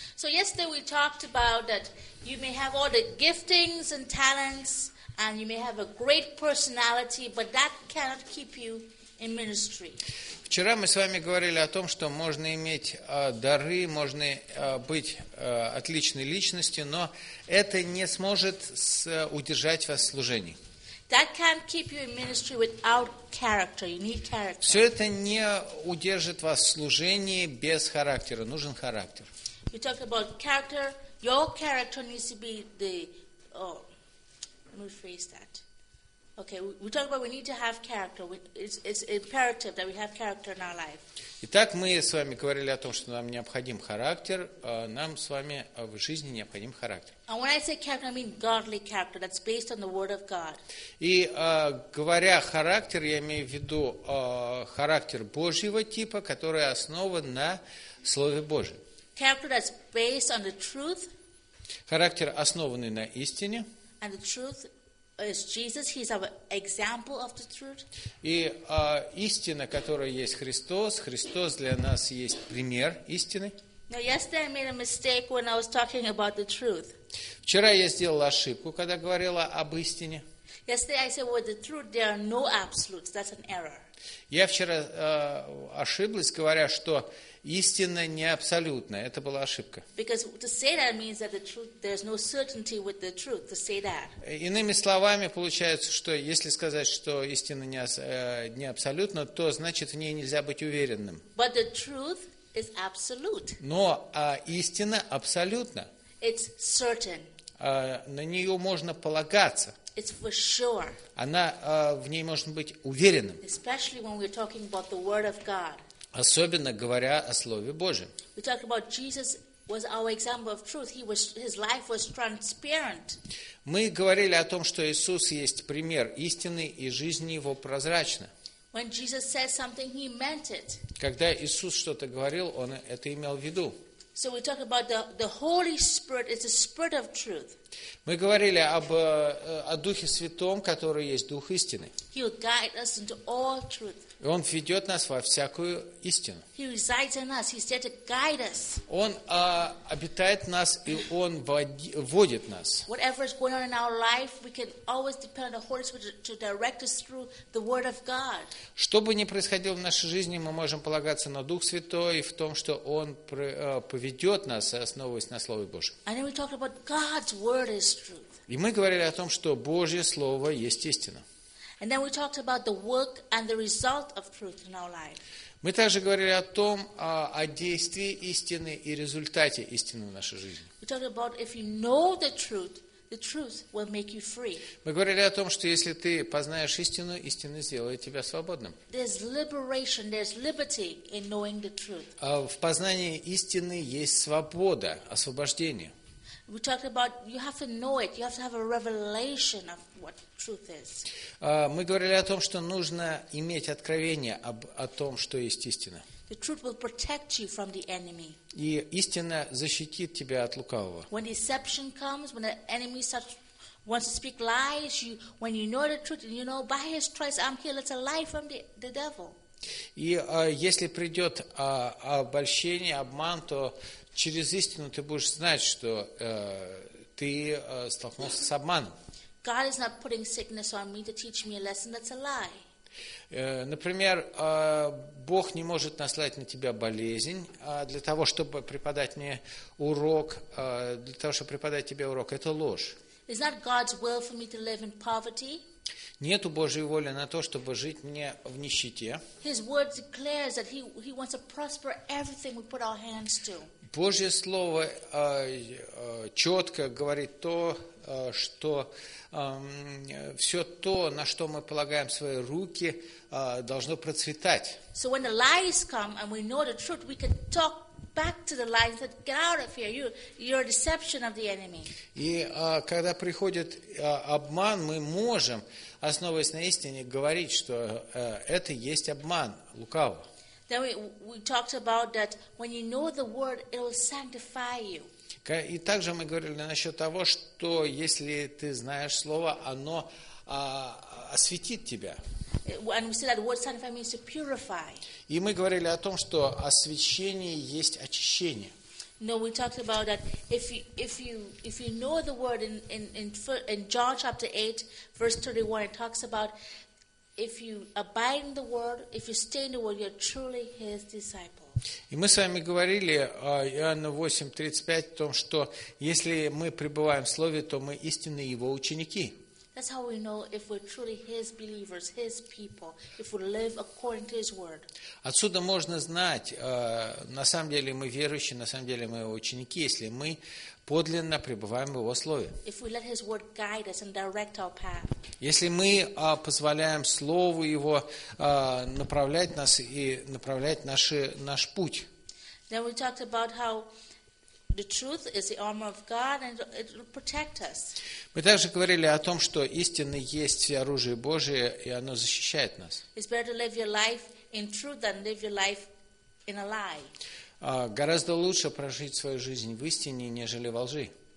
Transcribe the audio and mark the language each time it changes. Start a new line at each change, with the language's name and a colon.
English: So yesterday we talked about that you may have all the giftings and talents, and you may have a great personality, but that cannot keep you in ministry.
Russian: Вчера мы с вами говорили о том, что можно иметь дары, можно быть отличной личностью, но это не сможет удержать вас в служении.
English: That can't keep you in ministry without character. You need character.
Russian: Все это не удержит вас в служении без характера. Нужен характер.
English: You talk about character. Your character needs to be the... Let me rephrase that. Okay, we talk about we need to have character. It's imperative that we have character in our life.
Russian: Итак, мы с вами говорили о том, что нам необходим характер. Нам с вами в жизни необходим характер.
English: And when I say character, I mean godly character that's based on the Word of God.
Russian: И говоря характер, я имею в виду характер Божьего типа, который основан на Слове Божьем.
English: Character that's based on the truth.
Russian: Характер, основанный на истине.
English: And the truth is Jesus. He's an example of the truth.
Russian: И истина, которая есть Христос. Христос для нас есть пример истины.
English: Now, yesterday I made a mistake when I was talking about the truth.
Russian: Вчера я сделала ошибку, когда говорила об истине.
English: Yesterday I said, "Well, the truth, there are no absolutes. That's an error."
Russian: Я вчера ошиблась, говоря, что истина не абсолютна. Это была ошибка.
English: Because to say that means that the truth, there's no certainty with the truth. To say that.
Russian: Иными словами, получается, что если сказать, что истина не абсолютна, то значит в ней нельзя быть уверенным.
English: But the truth is absolute.
Russian: Но истина абсолютна.
English: It's certain.
Russian: На нее можно полагаться.
English: It's for sure.
Russian: Она в ней можно быть уверенным.
English: Especially when we're talking about the Word of God.
Russian: Особенно говоря о Слове Божьем.
English: We talk about Jesus was our example of truth. He was his life was transparent.
Russian: Мы говорили о том, что Иисус есть пример истины, и жизнь его прозрачна.
English: When Jesus says something, he meant it.
Russian: Когда Иисус что-то говорил, он это имел в виду.
English: So we talk about the Holy Spirit. It's the Spirit of Truth.
Russian: Мы говорили об о Духе Святом, который есть Дух истины.
English: He'll guide us into all truth.
Russian: И он ведет нас во всякую истину.
English: He resides in us. He's there to guide us.
Russian: Он обитает в нас, и он водит нас.
English: Whatever is going on in our life, we can always depend on the Holy Spirit to direct us through the Word of God.
Russian: Что бы ни происходило в нашей жизни, мы можем полагаться на Дух Святой в том, что он поведет нас, основываясь на Слове Божьем.
English: And then we talked about God's Word is truth.
Russian: И мы говорили о том, что Божье Слово есть истина.
English: And then we talked about the work and the result of truth in our life.
Russian: Мы также говорили о том, о действии истины и результате истины в нашей жизни.
English: We talked about if you know the truth will make you free.
Russian: Мы говорили о том, что если ты познаешь истину, истина сделает тебя свободным.
English: There's liberation, there's liberty in knowing the truth.
Russian: В познании истины есть свобода, освобождение.
English: We talked about you have to know it. You have to have a revelation of what truth is.
Russian: Мы говорили о том, что нужно иметь откровение о том, что есть истина.
English: The truth will protect you from the enemy.
Russian: И истина защитит тебя от лукавого.
English: When deception comes, when the enemy wants to speak lies, when you know the truth, and you know by his stripes I'm healed, it's a lie from the devil.
Russian: И если придет обольщение, обман, то через истину ты будешь знать, что ты столкнулся с обманом.
English: God is not putting sickness on me to teach me a lesson. That's a lie.
Russian: Например, Бог не может наслать на тебя болезнь для того, чтобы преподать мне урок, для того, чтобы преподать тебе урок. Это ложь.
English: It's not God's will for me to live in poverty.
Russian: Нету Божьей воли на то, чтобы жить мне в нищете.
English: His word declares that he wants to prosper everything we put our hands to.
Russian: Божье Слово четко говорит то, что все то, на что мы полагаем свои руки, должно процветать.
English: So when the lies come and we know the truth, we can talk back to the lies that get out of here. You're a deception of the enemy.
Russian: И когда приходит обман, мы можем, основываясь на истине, говорить, что это есть обман, лукаво.
English: Then we talked about that when you know the word, it will sanctify you.
Russian: И также мы говорили насчет того, что если ты знаешь слово, оно осветит тебя.
English: And we said that word sanctify means to purify.
Russian: И мы говорили о том, что освящение есть очищение.
English: No, we talked about that. If you know the word in John chapter 8, verse 31, it talks about if you abide in the word, if you stay in the word, you're truly his disciple.
Russian: И мы с вами говорили о Иоанна 8:35 о том, что если мы пребываем в Слове, то мы истинные Его ученики.
English: That's how we know if we're truly His believers, His people, if we live according to His word.
Russian: Отсюда можно знать, на самом деле мы верующие, на самом деле мы Его ученики, если мы подлинно пребываем в Его Слове.
English: If we let His word guide us and direct our path.
Russian: Если мы позволяем Слову Его направлять нас и направлять наш путь.
English: Then we talked about how the truth is the armor of God and it will protect us.
Russian: Мы также говорили о том, что истина есть оружие Божие, и оно защищает нас.
English: It's better to live your life in truth than live your life in a lie.
Russian: Гораздо лучше прожить свою жизнь в истине, нежели во лжи.